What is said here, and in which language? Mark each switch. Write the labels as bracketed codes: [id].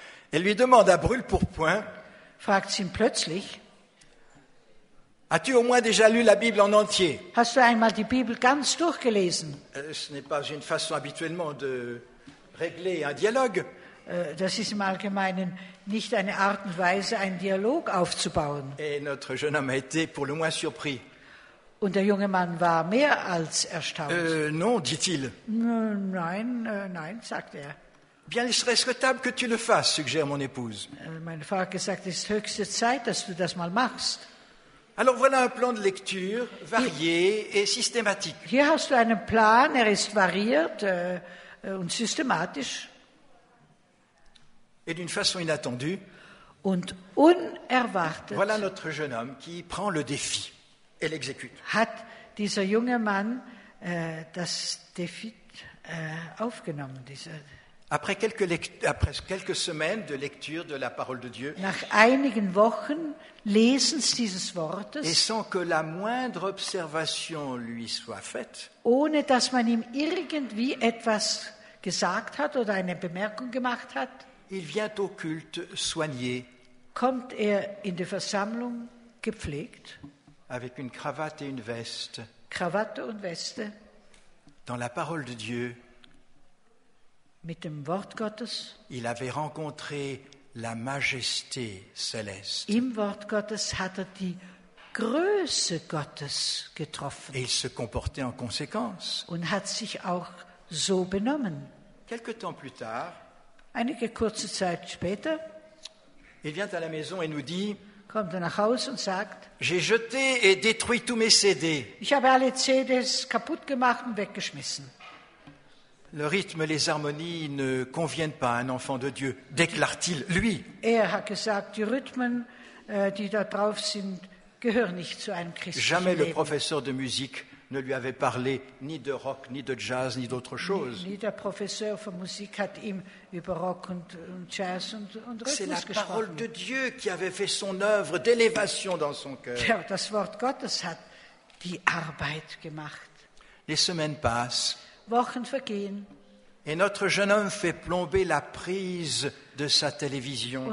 [fr] elle lui demande à brûle pour point, [de] fragt sie ihn plötzlich, [fr] as-tu au moins déjà lu la Bible en entier? [de] Hast du einmal die Bibel ganz durchgelesen? [fr] Ce n'est pas une façon habituellement de régler un dialogue. [de] Das ist im Allgemeinen nicht eine Art und Weise, einen Dialog aufzubauen. [fr] Et notre jeune homme a été pour le moins surpris. [de] Und der junge Mann war mehr als erstaunt. [fr] Non, dit-il. [de] Nein, nein, sagt er. [fr] Bien, il serait souhaitable que tu le fasses, suggère mon épouse. [de] Meine Frau hat gesagt, es ist höchste Zeit, dass du das mal machst. [fr] Alors voilà un plan de lecture varié et systématique. [de] Hier hast du einen Plan, er ist variiert und systematisch. [fr] Et d'une façon inattendue. [de] Und unerwartet. [fr] Voilà notre jeune homme qui prend le défi et l'exécute. [de] Hat dieser junge Mann das Défi aufgenommen, dieser. [fr] Après quelques semaines de lecture de la parole de Dieu. [de] Nach einigen Wochen Lesens dieses Wortes. [fr] Et sans que la moindre observation lui soit faite. [de] Ohne dass man ihm irgendwie etwas gesagt hat oder eine Bemerkung gemacht hat. [fr] Il vient au culte soigné. [de] Kommt er in die Versammlung gepflegt? [fr] Avec une cravate et une veste. [de] Krawatte und Weste. [fr] Dans la parole de Dieu. [de] Mit dem Wort Gottes. [fr] Il avait rencontré la majesté céleste. [de] Im Wort Gottes hat er die Größe Gottes getroffen. [fr] Et il se comportait en conséquence. [de] Und hat sich auch so benommen. [fr] Quelque temps plus tard. [de] Einige kurze Zeit später, [fr] il vient à la maison et nous dit, [de] kommt er nach Hause und sagt, [fr] j'ai jeté et détruit tous mes CD. [de] Ich habe alle CDs kaputt gemacht und weggeschmissen. [fr] Le rythme, les harmonies ne conviennent pas à un enfant de Dieu, déclare-t-il, lui. [de] Er hat gesagt, die Rhythmen, die da drauf sind, gehören nicht zu einem christlichen [fr] Jamais [de] Leben. [fr] Le professeur de musique ne lui avait parlé ni de rock, ni de jazz, ni d'autre chose. Ni [de] der Professeur von Musik hat ihm über Rock und Jazz und Rhythmus gesprochen. [fr] C'est la parole de Dieu qui avait fait son œuvre d'élévation dans son cœur. [de] Ja, das Wort Gottes hat die Arbeit gemacht. [fr] Les semaines passent. [de] Wochen vergehen. [fr] Et notre jeune homme fait plomber la prise de sa télévision.